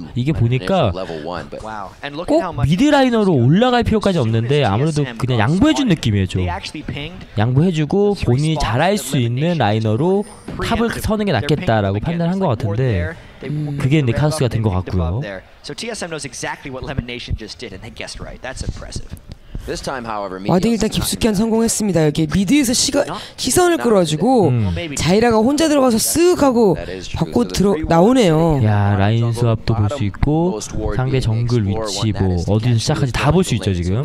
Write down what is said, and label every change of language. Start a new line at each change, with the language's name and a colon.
Korean: 이게 보니까 꼭 미드라이너로 올라갈 필요까지 없는데 아무래도 그냥 양보해준 느낌이죠. 양보해주고 본인이 잘할 수 있는 라이너로 탑을 서는 게 낫겠다라고 판단한 것 같은데 그게 이제 카우스가 된 것 같고요.
English: So TSM knows exactly what Lemon Nation just did and they guessed right. That's impressive. This time, however,
Korean: 와딩 일단 깊숙이 한 성공했습니다. 이렇게 미드에서 시선을 끌어주고 자이라가 혼자 들어가서 쓱 하고 받고 나오네요. 야 라인 스왑도 볼 수 있고 상대 정글 위치 뭐 어디서 시작하지 다 볼 수 있죠 지금.